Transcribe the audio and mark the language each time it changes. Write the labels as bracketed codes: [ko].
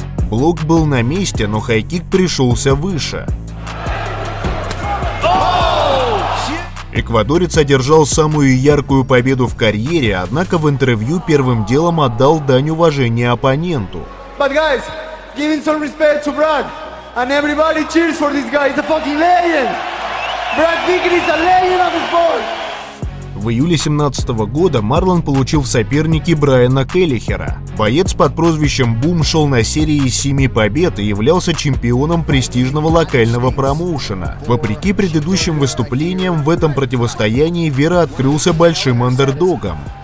[ru] Блок был на месте, но хайкик пришелся выше. Эквадорец одержал самую яркую победу в карьере, однако в интервью первым делом отдал дань уважения оппоненту. [en] But guys, giving some respect to Brad, and everybody cheers for this guy. He's a fucking legend. Brad Pickett is a legend of his sport. [ru] В июле 2017 года Марлон получил в соперники Брайана Келлихера. Боец под прозвищем «Бум» шел на серии из 7 побед и являлся чемпионом престижного локального промоушена. Вопреки предыдущим выступлениям, в этом противостоянии Вера открылся большим андердогом.